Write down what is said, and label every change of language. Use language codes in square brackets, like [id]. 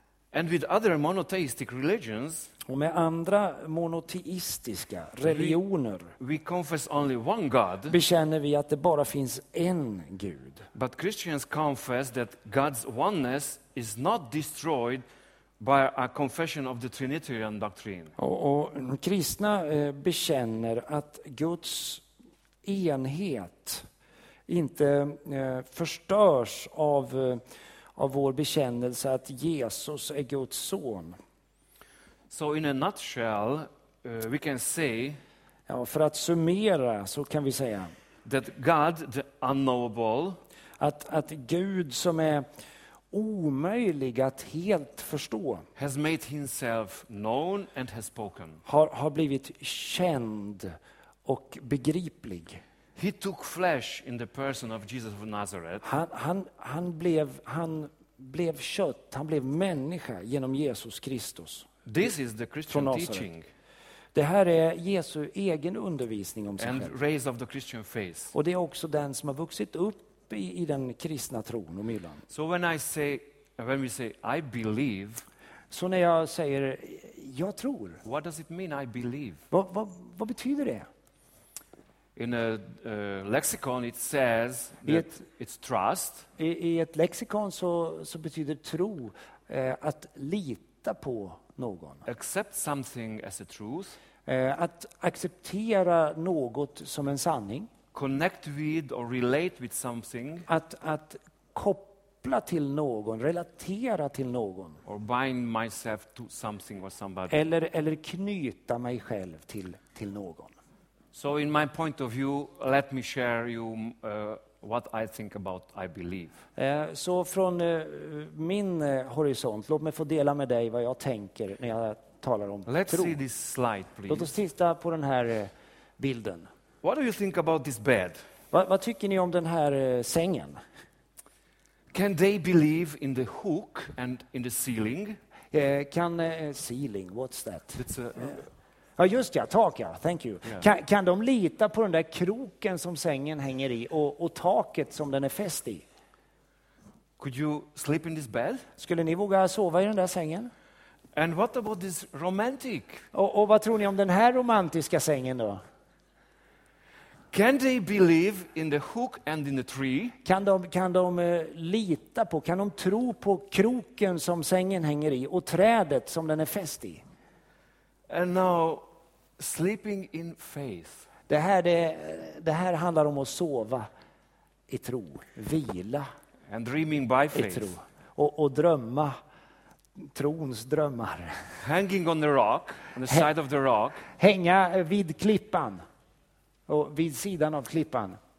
[en] And with other monotheistic religions, [sv] och med andra monoteistiska religioner, [en] we confess only one God, [sv] bekänner vi att det bara finns en Gud. [en] But Christians confess that God's oneness is not destroyed by a confession of the Trinitarian doctrine. [sv] Och kristna bekänner att Guds enhet inte förstörs av vår bekännelse att Jesus är Guds son. [en] So in a nutshell, we can say, [sv] ja, för att summera så kan vi säga [en] that God, the unknowable, [sv] att Gud som är omöjlig att helt förstå, [en] has made himself known and has spoken. [sv] Har blivit känd och begriplig. [en] He took flesh in the person of Jesus of Nazareth. [sv] Han blev kött, han blev människa genom Jesus Kristus. [en] This is the Christian teaching. [sv] Det här är Jesu egen undervisning om sig [en] and [sv] själv. [en] Raise of the Christian faith. [sv] Och det är också den som har vuxit upp i den kristna tron och myllan. [en] So when we say I believe, [sv] så när jag säger jag tror. [en] What does it mean I believe? [sv] Vad betyder det? [en] In a lexicon it says that it's trust. [sv] I ett lexikon så betyder tro att lita på någon. [en] Accept something as a truth. [sv] Att acceptera något som en sanning. [en] Connect with or relate with something. [sv] Att koppla till någon, relatera till någon. [en] Or bind myself to something or somebody. [sv] Eller knyta mig själv till någon. [en] So in my point of view, let me share you what I think about I believe. [sv] Så från min horisont, låt mig få dela med dig vad jag tänker när jag talar om [en] Let's [sv] tro. [en] See this slide, please. [sv] Låt oss titta på den här bilden. [en] What do you think about this bed? [sv] Vad tycker ni om den här sängen? [en] Can they believe in the hook and in the ceiling? Kan ceiling, what's that? It's a [sv] ja, just ja, tak ja, [en] thank you. Yeah. [sv] Kan de lita på den där kroken som sängen hänger i och taket som den är fäst i? [en] Could you sleep in this bed? [sv] Skulle ni våga sova i den där sängen? [en] And what about this romantic? [sv] Och vad tror ni om den här romantiska sängen då? [en] Can they believe in the hook and in the tree? [sv] Kan de lita på, kan de tro på kroken som sängen hänger i och trädet som den är fäst i? [en] And now sleeping in faith. [sv] Det här handlar om att sova i tro, vila. [en] And dreaming by faith. [sv] I tro. Och drömma trons drömmar. [en] Hanging on the rock, on the side of the rock. [sv] Hänga vid klippan. Och vid sidan av klippan.